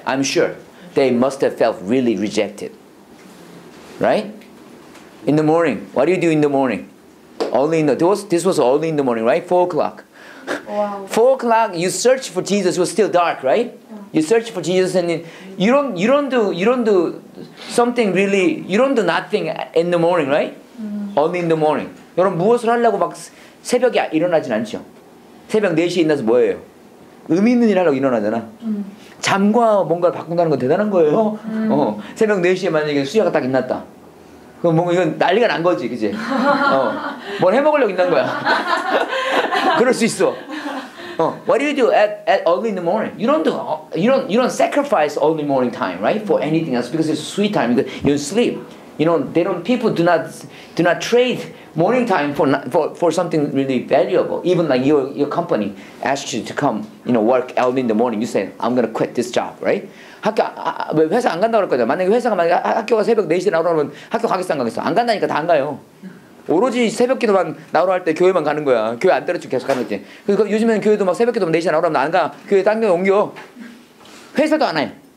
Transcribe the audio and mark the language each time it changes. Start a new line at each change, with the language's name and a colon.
English: I'm sure. They must have felt really rejected. Right? In the morning. What do you do in the morning? Early in the... This was early in the morning, right? 4 o'clock. Wow. 4 o'clock, you search for Jesus. It was still dark, right? You search for Jesus and you don't do something really... You don't do nothing in the morning, right? Early in the morning.
Korean: 여러분 무엇을 하려고 막 새벽에 일어나진 않죠. 새벽 4시에 일어나서 뭐예요? 의미 있는 일 하려고 일어나잖아. 잠과 뭔가를 바꾼다는 건 대단한 거예요. 새벽 4시에 만약에 수야가 딱 일어났다. 그럼 뭔가 이건 난리가 난 거지, 그치? 뭘 해먹으려고 일어난 거야. 그럴 수 있어.
English: What do you do at early in the morning? You don't sacrifice early morning time, right? For anything else because it's sweet time. You sleep. You know, they don't. People do not trade morning time for something really valuable. Even like your company asks you to come, you know, work early in the morning. You say, I'm gonna quit this job, right?
Korean: 학교 회사 안 간다고 그랬거든. 만약에 회사가 만약 학교가 새벽 4시에 나오라고 하면 학교 가겠어 안 가겠어? 안 간다니까 다 안 가요. 오로지 새벽 기도만 나오라고 할 때 교회만 가는 거야. 교회 안 때려치고 계속 가는 거지. 그러니까 요즘에는 교회도 막 새벽 기도만 4시에 나오라고 하면 안 가. 교회 딴 데 옮겨. 회사도 안 해.